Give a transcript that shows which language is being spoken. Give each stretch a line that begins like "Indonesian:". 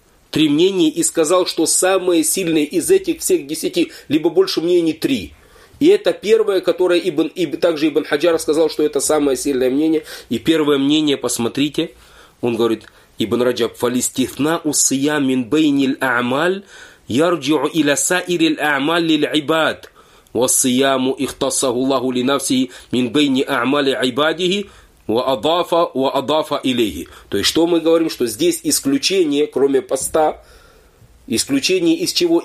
Russian: Три мнения и сказал, что самые сильные из этих всех 10, либо больше мнений, три. И это первое, которое также Ибн Хаджар сказал, что это самое сильное мнение. И первое мнение, посмотрите, он говорит, Ибн Раджаб,
Arabic: «Фалистихна усия мин бейниль амаль». يرجع إلى سائر الأعمال للعباد والصيام اختصه الله لنفسه من بين أعمال عباده وأضاف إليه.
Russian: То есть что мы говорим, что здесь исключение, кроме поста, исключение из чего?